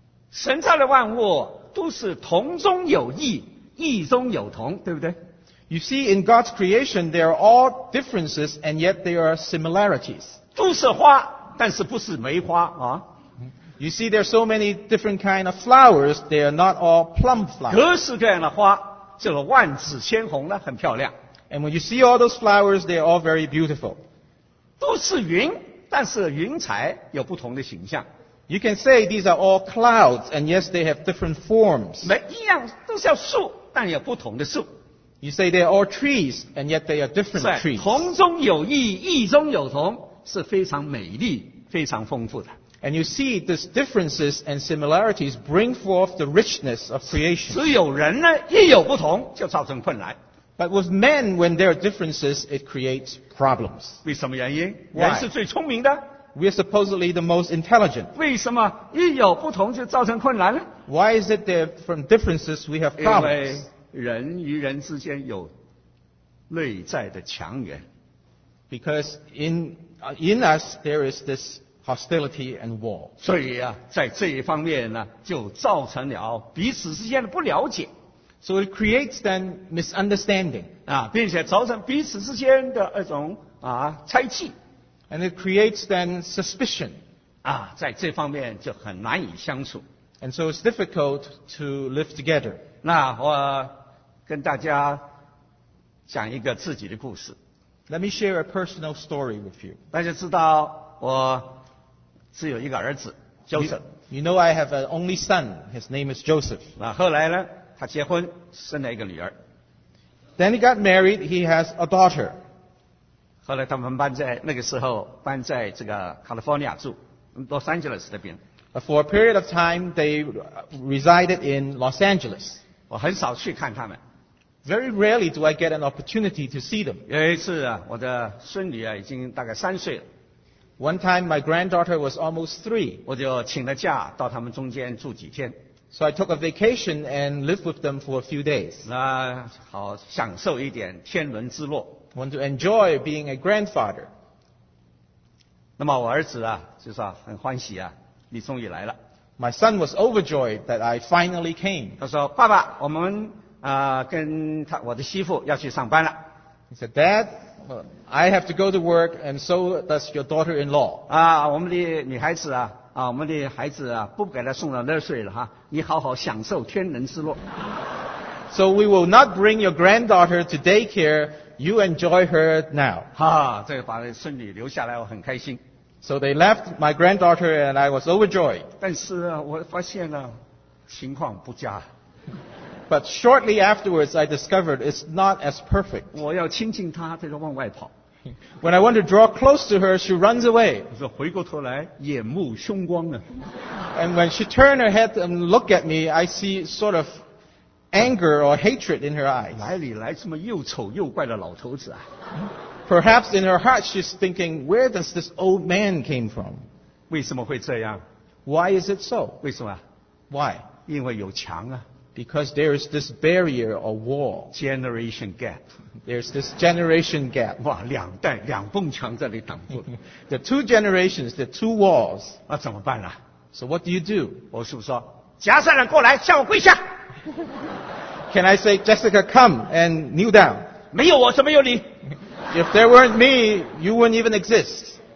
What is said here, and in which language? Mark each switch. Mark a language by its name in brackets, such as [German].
[Chinese] 神造的万物都是同中有异，异中有同，对不对？ [English] You see, in God's creation, there are all differences, and yet there are similarities. [Chinese] 都是花，但是不是梅花啊？ [English] You see, there are so many different kinds of flowers, they are not all plum flowers. [Chinese] 各式各样的花，就是万紫千红的，很漂亮。 [English] And when you see all those flowers, they are all very beautiful. [Chinese] 都是云，但是云彩有不同的形象。 [English] You can say these are all clouds, and yes, they have different forms. [Chinese] 每一样都叫树，但有不同的树。 [English] You say they are all trees, and yet they are different trees. [Chinese] 同中有异，异中有同，是非常美丽、非常丰富的。 [English] And you see these differences and similarities bring forth the richness of creation. [Chinese] 只有人呢，一有不同，就造成困难。 [English] But with men, when there are differences, it creates problems. [Chinese] 为什么原因？ [English] Why? [Chinese] 人是最聪明的。 [English] We are supposedly the most intelligent. [Chinese] 为什么一有不同就造成困难呢？ [English] Why is it that from differences we have problems? [Chinese] 因为人与人之间有内在的强援。 [English] Because in us there is this hostility and war. [Chinese] 所以啊，在这一方面呢，就造成了彼此之间的不了解。 [English] So it creates then misunderstanding. [Chinese] 啊，并且造成彼此之间的一种啊猜忌。 [English] And it creates then suspicion. [Chinese] 啊，在这方面就很难以相处。 [English] And so it's difficult to live together. [Chinese] 那我跟大家讲一个自己的故事。 [English] Let me share a personal story with you. [Chinese] 大家知道我只有一个儿子 Joseph. [English] You know I have an only son. His name is Joseph. [Chinese] 那后来呢？他结婚，生了一个女儿。 [English] Then he got married. He has a daughter. [Chinese] 后来他们搬在那个时候搬在这个 California 住 ，Los Angeles 那边。 [English] For a period of time, they resided in Los Angeles. [Chinese] 我很少去看他们。 [English] Very rarely do I get an opportunity to see them. [Chinese] 有一次啊，我的孙女啊已经大概三岁了。 [English] One time, my granddaughter was almost three. [Chinese] 我就请了假到他们中间住几天。 [English] So I took a vacation and lived with them for a few days. [Chinese] 那好享受一点天伦之乐。 [English] Want to enjoy being a grandfather. [Chinese] 那么我儿子啊，就说很欢喜啊，你终于来了。 [English] My son was overjoyed that I finally came. [Chinese] 他说爸爸，我们啊、跟他我的媳妇要去上班了。 [English] He said, Dad, I have to go to work, and so does your daughter-in-law. [Chinese] 啊，我们的女孩子啊。啊，我们的孩子啊，不给他送到那儿睡了哈，你好好享受天伦之乐。 [English] So we will not bring your granddaughter to daycare. You enjoy her now. [Chinese] 哈、啊，这个把孙女留下来，我很开心。 [English] So they left my granddaughter and I was overjoyed. [Chinese] 但是啊，我发现呢、啊，情况不佳。 [English] But shortly afterwards, I discovered it's not as perfect. [Chinese] 我要亲近她，她就往外跑。 [English] When I want to draw close to her, she runs away. [Chinese] 说回过头来，眼目凶光呢。 [English] And when she turned her head and looked at me, I see sort of anger or hatred in her eyes. [Chinese] 哪里来这么又丑又怪的老头子啊 [English] ？Perhaps in her heart, she's thinking, "Where does this old man came from?" [Chinese] 为什么会这样 [English] ？Why is it so? [Chinese] 为什么 [English] ？Why? [Chinese] 因为有墙啊。 [English] Because there is this barrier or wall. Generation gap. There's this generation gap. [Chinese] 哇，两代两埲墙在里挡住。 [English] The two generations, the two walls. [Chinese] 那、啊、怎么办呢、啊、 [English] ？So what do you do? [Chinese] 我师父说，贾善良过来，向我跪下。 [English] Can I say, Jessica, come and kneel down? [Chinese] 没有我，怎么有你 [English] ？If there weren't me, you wouldn't even exist.